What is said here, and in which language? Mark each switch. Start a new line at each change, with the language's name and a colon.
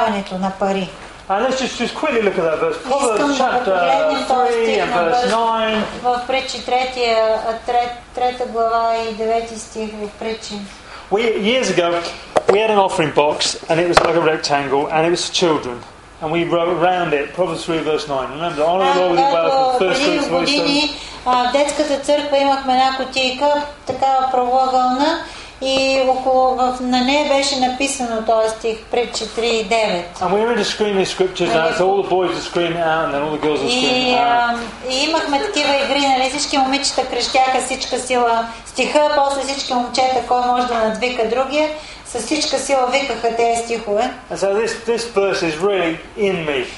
English: And let's just quickly look at that verse. Proverbs chapter 3 and verse 9.
Bulgarian: В Притчи 3 глава и 9 стих в Притчи.
English: Years ago, we had an offering box, and it was like a rectangle, and it was for children. And we wrote around it, Proverbs 3 verse 9. Remember, honor the Lord with your wealth, first fruits of your wisdom.
Bulgarian: В детската църква имахме една кутийка, такава правоъгълна, И около на нея беше написано този стих пред 4:9.
English: And we were screaming the scriptures out, so all the boys are screaming out, and then all the girls are screaming out.
Bulgarian: И имахме такива игри, нали, всички момичета крещяха всичка сила стиха, после всички момчета, кой може да надвика другия, със всичка сила викаха тези стихове.
English: And so this verse is really in me.